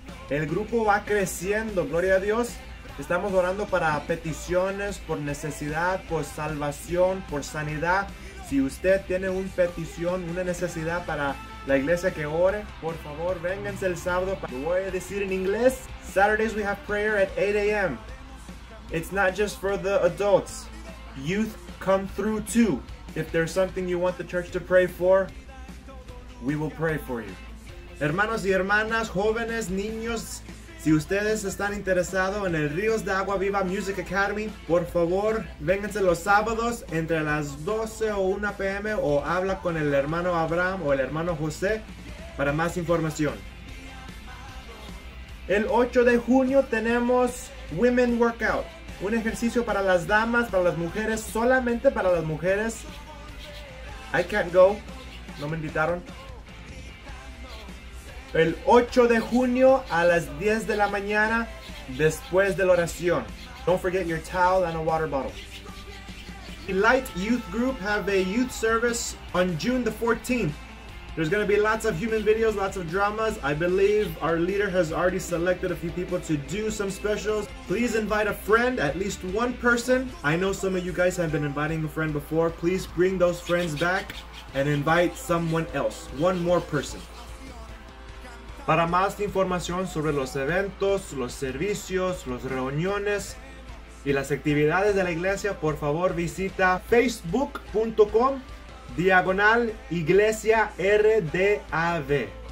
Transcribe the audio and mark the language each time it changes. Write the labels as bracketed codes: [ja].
[es] El grupo va creciendo, gloria a Dios. Estamos orando para peticiones, por necesidad, por salvación, por sanidad. Si usted tiene una petición, una necesidad para la iglesia que ore, por favor, vénganse el sábado. Lo voy a decir en inglés. [en] Saturdays we have prayer at 8 a.m. It's not just for the adults. Youth come through too. If there's something you want the church to pray for, we will pray for you. [es] Hermanos y hermanas, jóvenes, niños, si ustedes están interesados en el Ríos de Agua Viva Music Academy, por favor, vénganse los sábados entre las 12 o 1 p.m. o habla con el hermano Abraham o el hermano José para más información. El 8 de junio tenemos Women Workout. Un ejercicio para las damas, para las mujeres, solamente para las mujeres. [en] I can't go. [es] No me invitaron. El 8 de junio a las 10 de la mañana, después de la oración. [en] Don't forget your towel and a water bottle. Light Youth Group have a youth service on June the 14th. There's going to be lots of human videos, lots of dramas. I believe our leader has already selected a few people to do some specials. Please invite a friend, at least one person. I know some of you guys have been inviting a friend before. Please bring those friends back and invite someone else, one more person. [es] Para más información sobre los eventos, los servicios, las reuniones y las actividades de la iglesia, por favor visita facebook.com/IglesiaRDAV.